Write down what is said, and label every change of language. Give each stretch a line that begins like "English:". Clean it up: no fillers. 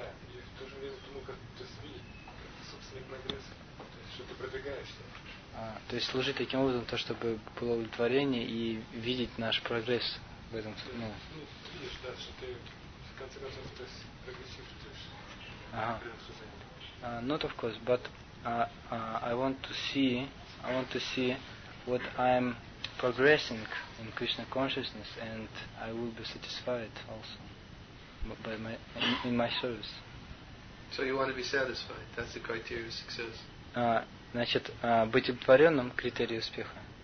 Russian: И в то же время думаю, как ты видишь, собственный прогресс, то есть, что ты продвигаешься. То есть служить таким образом, то, чтобы было удовлетворение и видеть наш прогресс в этом. Да. Ну, видишь, да, что ты, в конце концов, то есть прогрессивно, то есть,
English: Not of course, but I want to see what I'm progressing in Krishna consciousness, and I will be satisfied also by my service. So you want to be satisfied? That's the criteria of success.
Russian: Значит, быть удовлетворенным — критерий успеха.